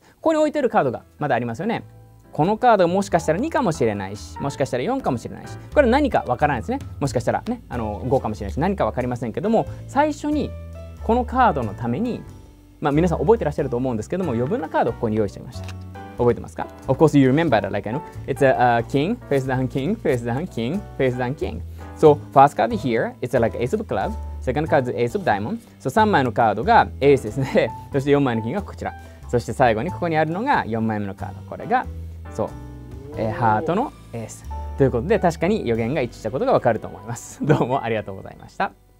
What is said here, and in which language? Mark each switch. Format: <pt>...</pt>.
<ja>ここに置いてるカードがまだありますよね。このカードがもしかしたら2かもしれないし、もしかしたら4かもしれないし、これ何かわからないですね。もしかしたらね、5かもしれないし、何か分かりませんけども、最初にこのカードのために、まあ、皆さん覚えてらっしゃると思うんですけども、余分なカードをここに用意してみました。覚えてますか?</ja> <en>Of course you remember that, like I know. It's a king, face down king, face down king, face down king. So first card here, it's like ace of club. Second card is ace of diamond. So</en> <ja>3枚のカードがエースですね。そして4枚のキングがこちら。そして最後にここにあるのが4枚目のカード。これが、そう、ハートのエース。ということで確かに予言が一致したことがわかると思います。どうもありがとうございました。</ja>